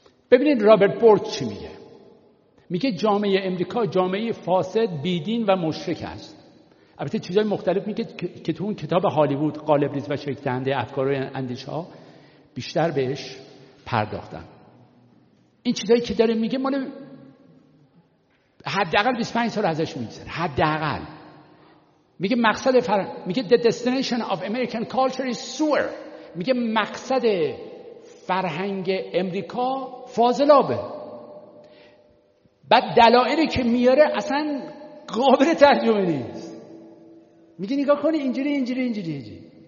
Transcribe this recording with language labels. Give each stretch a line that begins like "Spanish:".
Persian: ببینید رابرت بورک چی میگه. میگه جامعه امریکا جامعه فاسد بیدین و مشرک است. البته چیزهای مختلف میگه که تو اون کتاب هالیوود قالب ریز و شکتنده افکار و اندیشه ها بیشتر بهش پرداختن. این چیزهایی که داره میگه مال حداقل 25 سال ازش میگذره. حداقل میگه مقصد میگه
English: the destination of American culture is sewer.
Persian: میگه مقصد فرهنگ امریکا فاضلابه. بعد دلایلی که میاره اصلا قابل ترجمه نیست. میگه نگاه کنی اینجوری اینجوری اینجوری اینجوری.